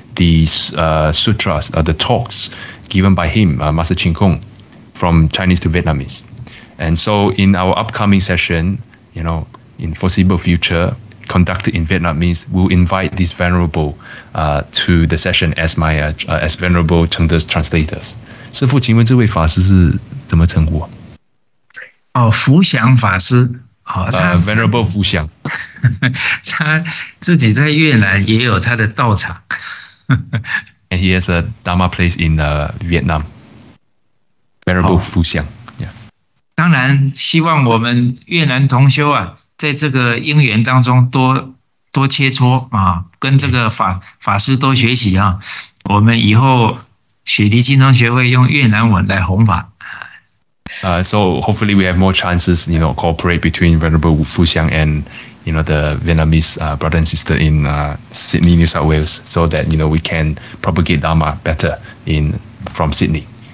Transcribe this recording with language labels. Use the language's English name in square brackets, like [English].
[English] The sutras, the talks given by him, Master Ching Kong, from Chinese to Vietnamese. And so in our upcoming session, you know, in foreseeable future, conducted in Vietnamese, we'll invite this Venerable to the session as my, as Venerable Chengde's translators. [Chinese] 师父，请问这位法师是怎么称呼啊？哦，福祥法师。 [English] Venerable 福祥。 [Chinese] 他自己在越南也有他的道场。 [English] And he has a Dharma place in Vietnam. Venerable 福祥、yeah. [Chinese] 当然希望我们越南同修啊，在这个因缘当中多切磋啊，跟这个 法师多学习啊，我们以后雪梨淨宗学会用越南文来弘法。 [English] So hopefully we have more chances, you know, cooperate between Venerable 福祥 and, you know, the Vietnamese brother and sister in Sydney, New South Wales, so that, you know, we can propagate Dharma better from Sydney.